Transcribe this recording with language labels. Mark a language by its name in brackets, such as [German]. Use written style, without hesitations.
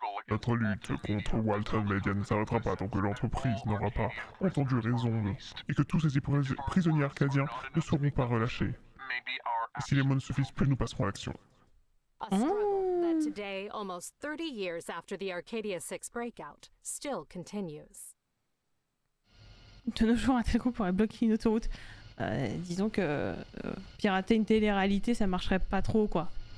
[French] Notre lutte contre Walter Media ne s'arrêtera pas tant que l'entreprise n'aura pas entendu raison et que tous ces prisonniers arcadiens ne seront pas relâchés. Et si les mots ne suffisent plus, nous passerons à l'action. [English] Today, almost 30 years after the Arcadia 6 breakout, still continues. [French] De nos jours, un tel groupe pourrait bloquer une autoroute. Disons que pirater une télé-réalité, ça marcherait pas trop, quoi.